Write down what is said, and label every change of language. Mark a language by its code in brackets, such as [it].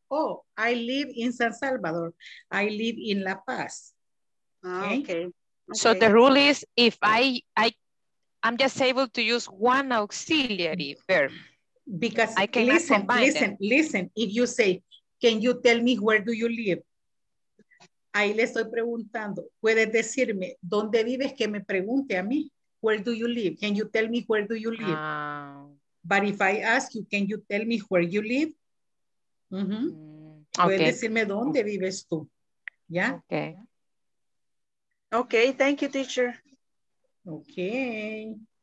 [en] Oh, I live in San Salvador. I live in La Paz. Okay. So the rule is if I'm just able to use one auxiliary verb. Because I can listen. If you say, can you tell me where do you live? [es] Ahí le estoy preguntando. ¿Puedes decirme dónde vives que me pregunte a mí? [en] Where do you live? Can you tell me where do you live? But if I ask you, can you tell me where you live? [es] Mm-hmm. Okay. ¿Puedes decirme dónde vives tú? ¿Ya? [en] Okay. Okay, thank you, teacher. Okay.